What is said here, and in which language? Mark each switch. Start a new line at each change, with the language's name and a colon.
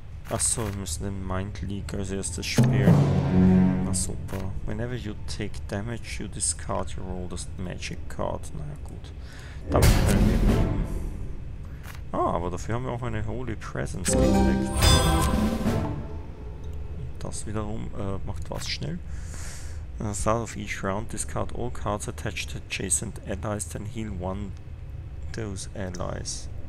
German: Achso, wir müssen den Mind Leak als erstes spielen. Na super.
English: Whenever you take damage, you discard your oldest magic card.
German: Na ja, gut. Damit können wir leben. Ah, aber dafür haben wir auch eine Holy Presence gekriegt. Das wiederum macht was schnell.
English: At the start of each round, discard all cards attached to adjacent allies, then heal one those allies.